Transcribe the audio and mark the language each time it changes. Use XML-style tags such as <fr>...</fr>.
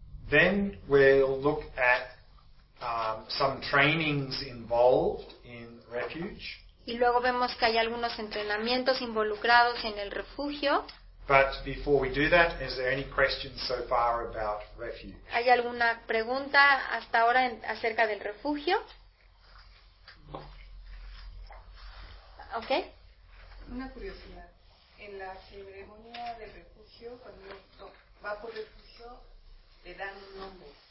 <en>Then we'll look at some trainings involved in refuge.</en> <es>Y luego vemos que hay algunos entrenamientos involucrados en el refugio.</es> <en>But before we do that, is there any questions so far about refuge?</en> <es>¿Hay alguna pregunta hasta ahora acerca del refugio? Okay. Una curiosidad. En la ceremonia de refugio, cuando uno va por refugio, le dan un nombre.</es>